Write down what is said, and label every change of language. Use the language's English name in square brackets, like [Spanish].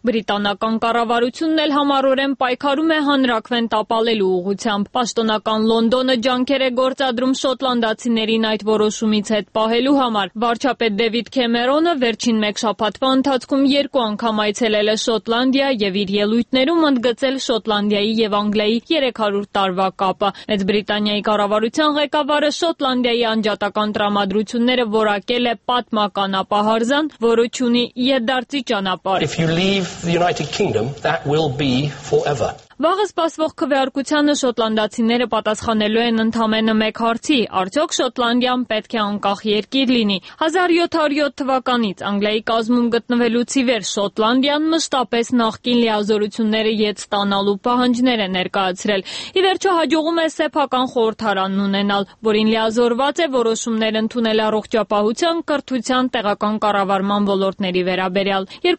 [Armenian] բրիտանական կառավարությունն էլ համառորեն պայքարում է հանրաքվեն տապալելու ուղղությամբ։ Պաշտոնական Լոնդոնը ջանքեր է գործադրում շոտլանդացիներին այդ որոշումից հետ պահելու համար։ Վարչապետ Դևիդ Քեմերոնը վերջին մեկ շաբաթվա ընթացքում 2 անգամ այցելել է Շոտլանդիա և իր ելույթներում ընդգծել Շոտլանդիայի և Անգլիայի 300 տարվա կապը։ Մեծ Բրիտանիայի կառավարության ղեկավարը Շոտլանդիայի անջատական տրամադրությունները որակել է պատմական ապահարզան, որը ունի իդարձի ճանապարհ։ [English] If you leave the United Kingdom, that will be forever. [Armenian] Վաղը սպասվող քվեարկությանը շոտլանդացիները պատասխանելու են ընդամենը մեկ հարցի. արդյոք Շոտլանդիան պետք է անկախ երկիր լինի։ 1707 թվականից Անգլիայի կազմում գտնվելուց ի վեր Շոտլանդիան մշտապես նախկին լիազորությունները ետ ստանալու պահանջներ է ներկայացրել։ Ի վերջո հաջողում է սեփական խորհրդարանն ունենալ, որին լիազորված է որոշումներ ընդունել առողջապահության, կրթության, տեղական կառավարման ոլորտների վերաբերյալ։